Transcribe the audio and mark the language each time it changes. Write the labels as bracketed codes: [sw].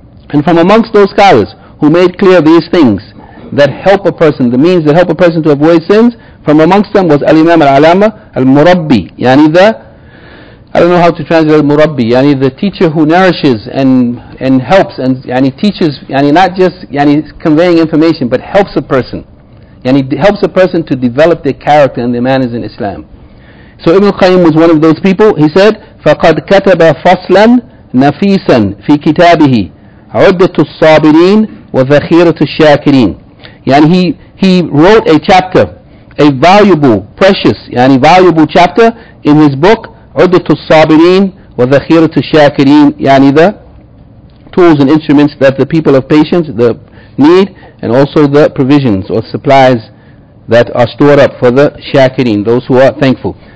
[en] And from amongst those scholars who made clear these things that help a person, the means that help a person to avoid sins, from amongst them was Al-Imam Al-Alama Al-Murabbi, yani the, I don't know how to translate Murabbi, yani the teacher who nourishes and helps and yani teaches, yani not just yani conveying information, but helps a person. Yani helps a person to develop their character and their manners in Islam. So Ibn Qayyim was one of those people. He said, [ar] فَقَدْ كَتَبَ فَصْلًا نَفِيسًا فِي كِتَابِهِ عُدَّةُ الصَّابِرِينَ وَذَخِيرَةُ الشَّاكِرِينَ. [en] Yani he wrote a chapter, a valuable, precious, yani valuable chapter in his book, عُدَّةُ الصَّابِرِينَ وَذَخِيرَةُ الشَّاكِرِينَ, yani the tools and instruments that the people of patience the need, and also the provisions or supplies that are stored up for the shakirin, those who are thankful.